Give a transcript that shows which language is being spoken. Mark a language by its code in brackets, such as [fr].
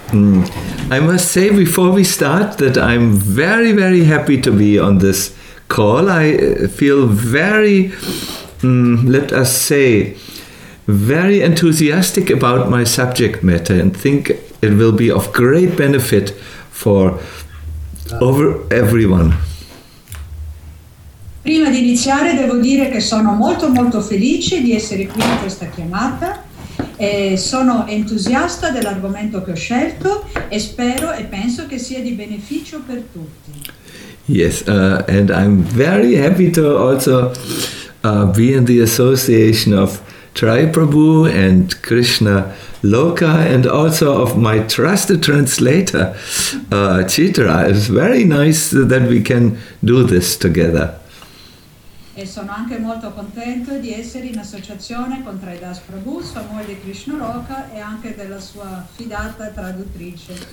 [en] I must say before we start that I'm very, very happy to be on this call. I feel very, let us say, very enthusiastic about my subject matter and think it will be of great benefit for over everyone. [it] Prima di iniziare devo dire che sono molto molto felice di essere qui in questa chiamata e sono entusiasta dell'argomento che ho scelto e spero e penso che sia di beneficio per tutti. [en] Yes, and I'm very happy to also be in the association of Tri Prabhu and Krishna Loka and also of my trusted translator Chitra. It's very nice that we can do this together. [it] E sono anche molto contento di essere in associazione con Tridas Prabhu, sua moglie Krishna Loka e anche della sua fidata traduttrice.